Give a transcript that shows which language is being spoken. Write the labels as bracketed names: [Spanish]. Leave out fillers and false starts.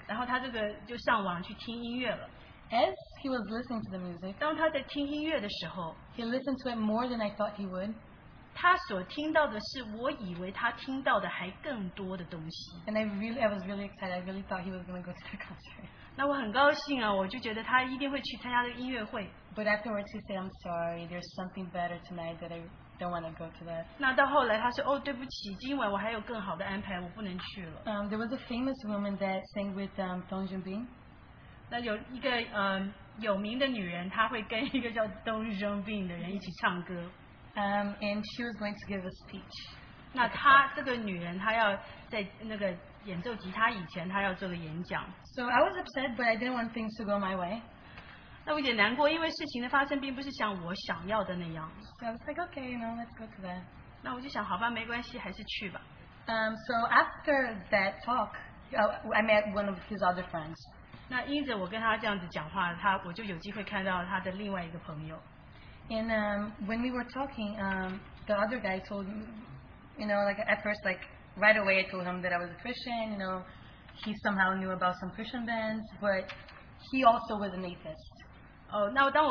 [Chinese] 然后他这个就上网去听音乐了。 [English] As he was listening to the music, [Chinese] 当他在听音乐的时候, [English] he listened to it more than I thought he would. [Chinese] 他所听到的是我以为他听到的还更多的东西。 [English] And I was really excited. I really thought he was going to go to the concert. [Chinese] 那我很高兴啊, 我就觉得他一定会去参加这个音乐会。 [English] But afterwards he said, I'm sorry, there's something better tonight that I don't want to go to that. [Chinese] 那到后来他说, 哦, 对不起, 今晚我还有更好的安排, 我不能去了。 [English] There was a famous woman that sang with Dong Junbin. [Chinese] 那有一个, 有名的女人, 她会跟一个叫 Dong Junbin的人一起唱歌。 [English] And she was going to give a speech. [Chinese] 那她, 这个女人, 她要在那个演奏吉他以前, 她要做个演讲。 [English] So I was upset, but I didn't want things to go my way. [Chinese] 那我有点难过, 因为事情的发生并不是像我想要的那样。 [English] So I was like, okay, you know, let's go to that. [Chinese] 那我就想, 好吧, 没关系, 还是去吧。 [English] So after that talk, I met one of his other friends. [Chinese] 那因着我跟他这样子讲话, 他, 我就有机会看到他的另外一个朋友。 [English] And when we were talking, the other guy told me, you know, like at first, like right away, I told him that I was a Christian, you know, he somehow knew about some Christian bands, but he also was an atheist.